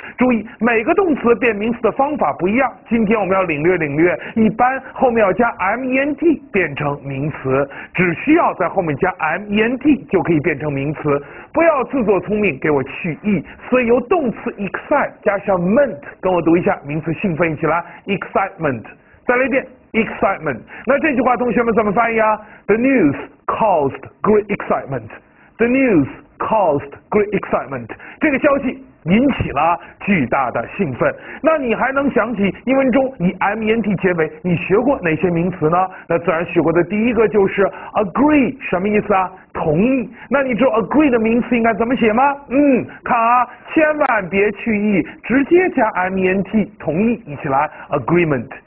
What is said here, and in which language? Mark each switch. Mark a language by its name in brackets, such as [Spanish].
[Chinese] 注意每个动词变名词的方法不一样，今天我们要领略领略一般后面要加 ment 变成名词，只需要在后面加 ment 就可以变成名词，不要自作聪明给我去意。所以由动词 excite 加上 ment， 跟我读一下名词兴奋，一起来 excitement。再来一遍 excitement。那这句话同学们怎么翻译啊？ [English] The news caused great excitement， The newscaused great excitement， [Chinese] 这个消息引起了巨大的兴奋。那你还能想起英文中以 ment 结尾你学过哪些名词呢？那自然学过的第一个就是 agree， 什么意思啊？同意。那你知道 agree 的名词应该怎么写吗？嗯，看啊，千万别去意，直接加 ment， 同意，一起来 agreement。